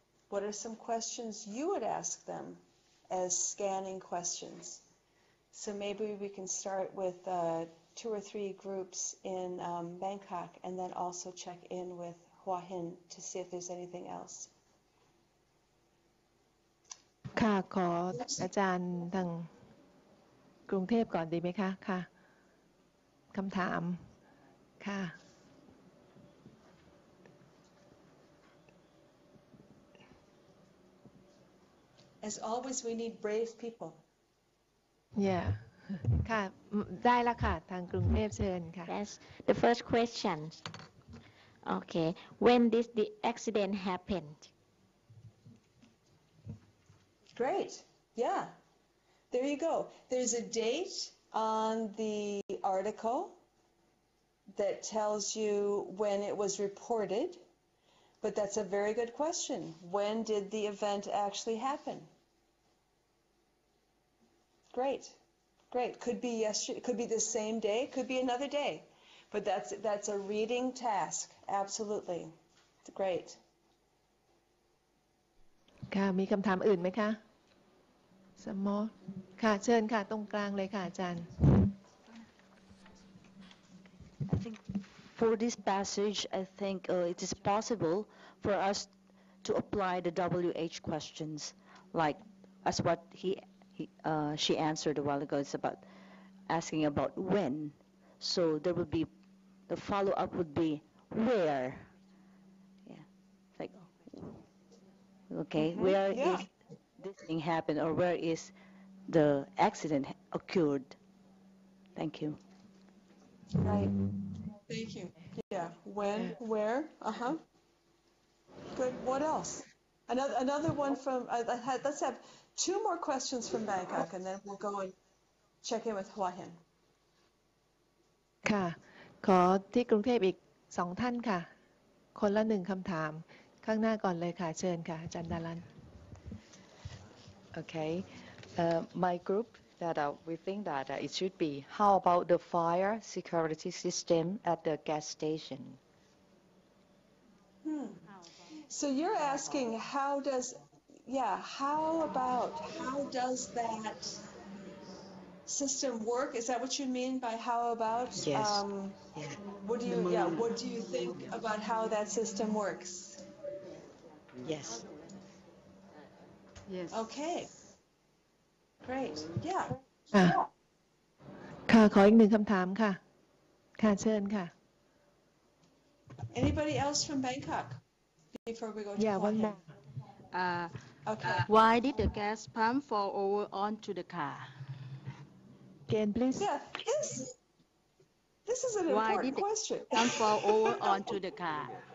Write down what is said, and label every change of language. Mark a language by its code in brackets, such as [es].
[en] What are some questions you would ask them as scanning questions? So maybe we can start with two or three groups in Bangkok and then also check in with Hua Hin to see if there's anything else. [th] ค่ะขออาจารย์ทางกรุงเทพก่อนดีไหมคะค่ะคำถามค่ะ [en] As always we need brave people [th] yeah ค่ะได้แล้วค่ะทางกรุงเทพเชิญค่ะ [en] yes the first question okay when did the accident happened Great, yeah. There you go. There's a date on the article that tells you when it was reported, but that's a very good question. When did the event actually happen? Great, great. Could be yesterday, could be the same day, could be another day, but that's a reading task, absolutely. It's great. [th] มีคำถามอื่นไหมคะสมอลค่ะเชิญค่ะตรงกลางเลยค่ะอาจารย์ [en] I think for this passage I think it is possible for us to apply the WH questions like as what she answered a while ago it's about asking about when so there will be the follow up would be where yeah like okay mm-hmm. where yeah. isthis thing happened or where is the accident occurred thank you right thank you yeah when where uh-huh good what else another one from let's have two more questions from Bangkok and then we'll go and check in with Hua Hin [th] ค่ะขอที่กรุงเทพอีก2ท่านค่ะคนละ1คำถามข้างหน้าก่อนเลยค่ะเชิญค่ะอาจารย์ดารัน [en] Okay, my group that we think that it should be. How about the fire security system at the gas station? So you're asking how does, yeah, how about how does that system work? Is that what you mean by how about? Yes. What do you think about how that system works? Yes. Yes. Okay. Great. Yeah. [th] ค่ะ ขออีกหนึ่งคำถามค่ะ ค่ะ เชิญค่ะ [en] Anybody else from Bangkok before we go to Yeah, one more. Why did the gas pump fall over onto the car? Again, please. Yeah. This is an important question. Why did the gas pump fall over onto the car?